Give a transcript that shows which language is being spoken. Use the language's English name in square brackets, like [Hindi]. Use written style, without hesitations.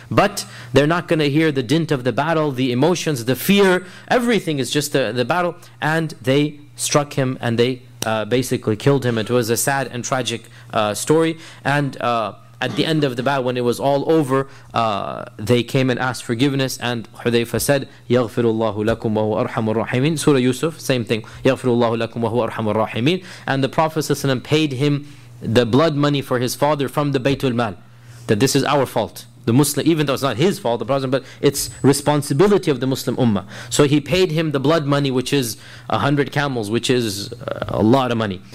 [English] But they're not going to hear the dint of the battle, the emotions, the fear, everything is just the battle. And they struck him and they basically killed him. It was a sad and tragic story. And at the end of the battle, when it was all over, they came and asked forgiveness. And Hudhayfa said, [Arabic] يَغْفِرُ اللَّهُ لَكُمْ وَهُوَ أَرْحَمُ الرَّحِيمِينَ. [English] Surah Yusuf, same thing. [Arabic] يَغْفِرُ اللَّهُ لَكُمْ وَهُوَ أَرْحَمُ الرَّحِيمِينَ. [English] And the Prophet ﷺ paid him the blood money for his father from the Baytul Mal. That this is our fault. The Muslim, even though it's not his fault, the Prophet, but it's responsibility of the Muslim Ummah. So he paid him the blood money, which is 100 camels, which is a lot of money.